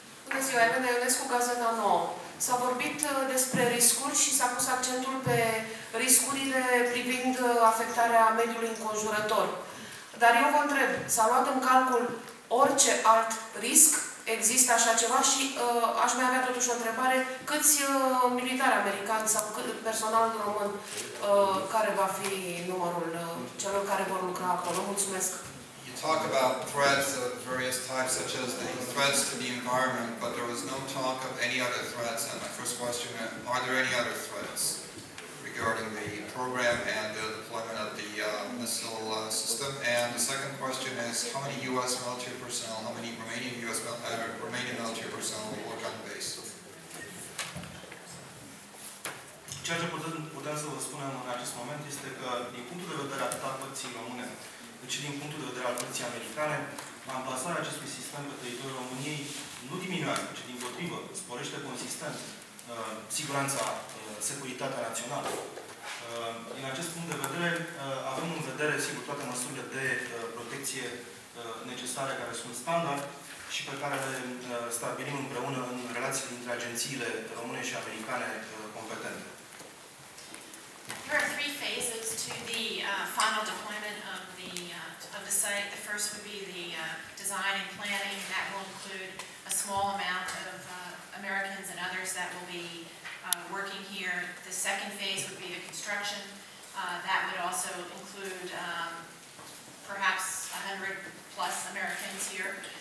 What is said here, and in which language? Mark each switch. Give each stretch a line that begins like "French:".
Romanian: Bună ziua, Elena Ionescu, Gazeta Nouă. S-a vorbit despre riscuri și s-a pus accentul pe riscurile privind afectarea mediului înconjurător. Dar eu vă întreb, s-a luat în calcul orice alt risc, există așa ceva și aș mai avea totuși o întrebare, câți militari americani sau cât personal român care va fi numărul celor care vor lucra acolo? Mulțumesc.
English: You talk about threats of various types, such as the threats to the environment, but there was no talk of any other threats. And my first question, are there any other threats regarding the program and the deployment of the missile system? And the second question is, how many U.S. military personnel, how many Romanian U.S. Romanian military personnel will work on the base?
Romanian: Ceea ce putem să vă spunem în acest moment este că, din punctul de vedere al părții române, deci din punctul de vedere al părții americane, amplasarea acestui sistem pe teritoriul României nu diminuează, ci din potrivă, sporește consistent siguranța, securitatea națională. Din acest punct de vedere, avem în vedere, sigur, toate măsurile de protecție necesare care sunt standard și pe care le stabilim împreună în relații dintre agențiile române și americane competente.
English: There are three phases to the final deployment of the site. The first would be the design and planning. That will include a small amount of Americans and others that will be working here. The second phase would be the construction. That would also include perhaps 100 plus Americans here.